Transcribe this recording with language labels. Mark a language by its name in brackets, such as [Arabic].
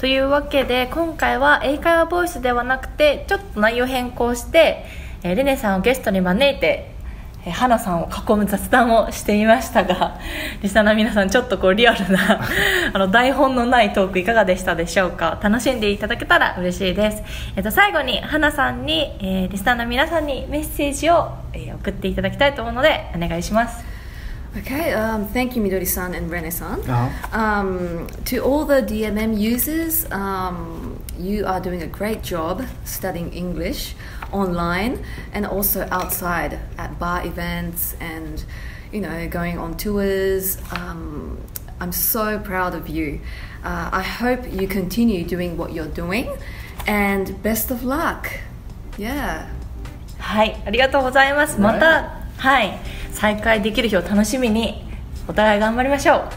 [Japanese] というわけで今回は英会話ボイスではなくてちょっと内容変更して、レネさんをゲストに招いて、ハナさんを囲む雑談をしていましたが、リスナーの皆さん、ちょっとこうリアルなあの台本のないトークいかがでしたでしょうか。楽しんでいただけたら嬉しいです。最後にハナさんに、リスナーの皆さんにメッセージを、送っていただきたいと思うのでお願いします。 [English] Okay, thank you, Midori-san and Rene-san. Uh-huh. To all the DMM users, you are doing a great job studying English online and also outside at bar events and, you know, going on tours. I'm so proud of you. I hope you continue doing what you're doing and best of luck. Yeah. [Japanese] はい、ありがとうございます。また、はい。再会できる日を楽しみに、お互い頑張りましょう。